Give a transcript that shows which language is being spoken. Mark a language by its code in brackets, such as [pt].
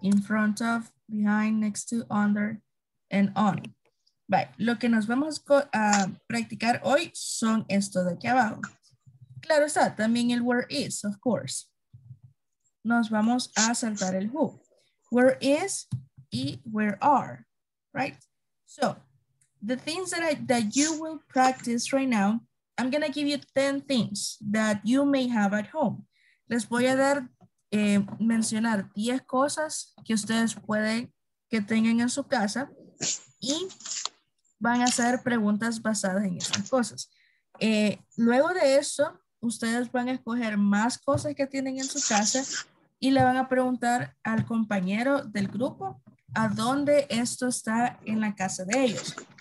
[en] In front of, behind, next to, under, and on. [es] Vale. Lo que nos vamos a practicar hoy son esto de aquí abajo. Claro está, también el where is, [en] of course. [es] Nos vamos a saltar el who. [en] Where is y where are, right? So, the things that that you will practice right now, I'm going to give you 10 things that you may have at home. [es] Les voy a dar, mencionar 10 cosas que ustedes pueden, que tengan en su casa y van a hacer preguntas basadas en esas cosas. Luego de eso, ustedes van a escoger más cosas que tienen en su casa y le van a preguntar al compañero del grupo a dónde esto está en la casa de ellos.